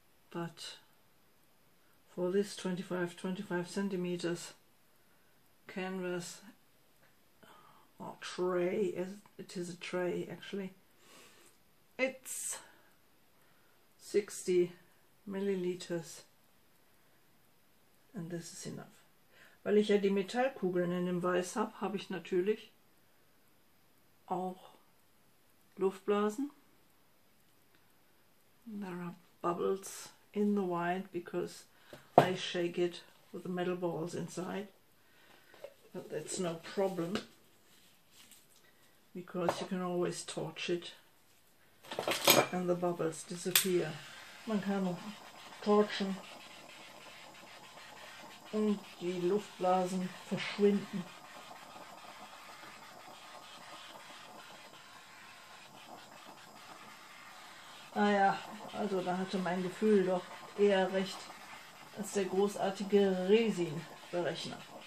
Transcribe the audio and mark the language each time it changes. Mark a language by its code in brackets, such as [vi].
[en] But for this 25 centimeters canvas or tray, it is a tray actually, it's 60 milliliters and this is enough. [de] Weil ich ja die Metallkugeln in dem Weiß habe, habe ich natürlich auch Luftblasen. [en] There are bubbles in the white because I shake it with the metal balls inside, but that's no problem because you can always torch it and the bubbles disappear. [de] Man kann auch torchen und die Luftblasen verschwinden. Ah ja, also da hatte mein Gefühl doch eher recht als der großartige Resin-Berechner.